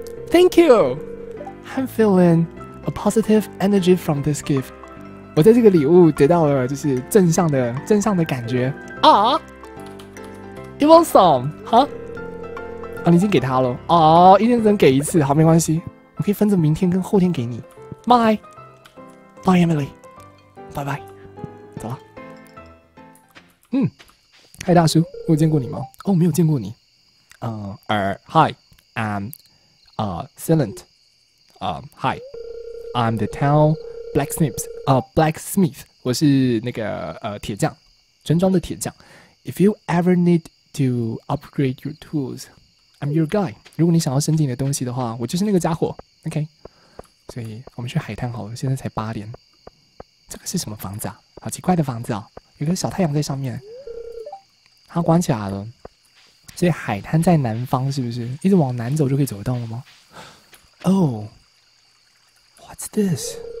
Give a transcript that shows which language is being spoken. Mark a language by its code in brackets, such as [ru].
[en] Thank you. I'm feeling a positive energy from this gift. [zh] 我在这个礼物得到了就是正向的感觉 [en] 啊。You want some？ 哈、huh? ？ [zh] 啊，你已经给他了哦、啊，一天只能给一次，好，没关系，我可以分着明天跟后天给你。 [en] Bye， bye Emily， bye bye， [zh] 走了。嗯，嗨大叔，我有见过你吗？哦，没有见过你。 [en] Hi， I'm Silent， Hi， I'm the town blacksmith， blacksmith， [zh] 我是那个铁匠，村庄的铁匠。 [en] If you ever need to upgrade your tools， I'm your guy。 [zh] 如果你想要升级你的东西的话，我就是那个家伙。OK， 所以我们去海滩好了。现在才八点，这个是什么房子啊？好奇怪的房子啊、哦！有个小太阳在上面，它关起来了。所以海滩在南方，是不是？一直往南走就可以走得到了吗 ？ [en] Oh， what's this？